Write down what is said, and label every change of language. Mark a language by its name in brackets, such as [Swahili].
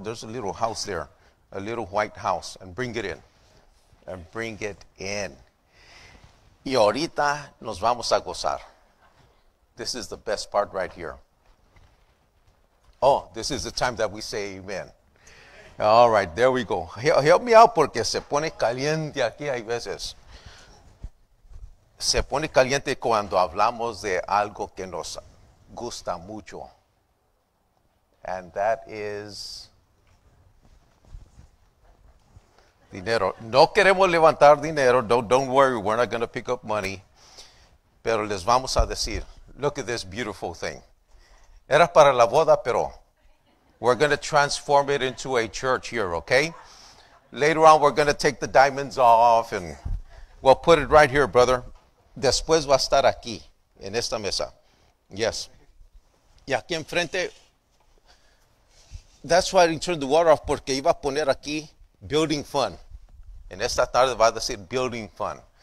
[English] There's a little house there, a little white house. And bring it in. And bring it in. [Spanish] Y ahorita nos vamos a gozar. [English] This is the best part right here. Oh, this is the time that we say amen. All right, there we go. Help me out [Spanish] porque se pone caliente aquí hay veces. Se pone caliente cuando hablamos de algo que nos gusta mucho. [English] And that is [Spanish] Dinero. No queremos levantar dinero. [English] Don't worry, we're not going to pick up money. [Spanish] Pero les vamos a decir, [English] look at this beautiful thing. [Spanish] Era para la boda, pero [English] we're going to transform it into a church here, okay? Later on, we're going to take the diamonds off and we'll put it right here, brother. [Spanish] Después va a estar aquí, en esta mesa. Yes. Y aquí enfrente, [English] that's why I turned the water off, [Spanish] porque iba a poner aquí building fund. En esta tarde va a decir building fund.